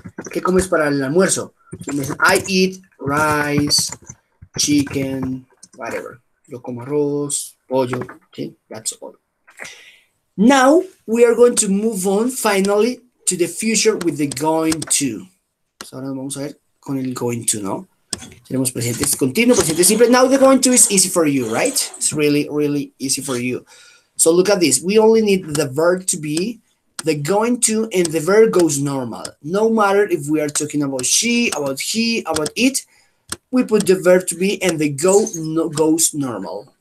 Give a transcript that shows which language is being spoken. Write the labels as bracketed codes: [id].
[es] ¿Qué comes para el almuerzo? Si me dicen, [en] I eat rice, chicken, whatever. [es] Yo como arroz, pollo, ¿sí? [en] That's all. Now we are going to move on finally to the future with the going to. [es] Pues ahora nos vamos a ver con el going to, ¿no? Tenemos presente continuo, presente simple. [en] Now the going to is easy for you, right? It's really, really easy for you. So look at this. We only need the verb to be. The going to and the verb goes normal. No matter if we are talking about she, about he, about it, we put the verb to be and the go no, goes normal.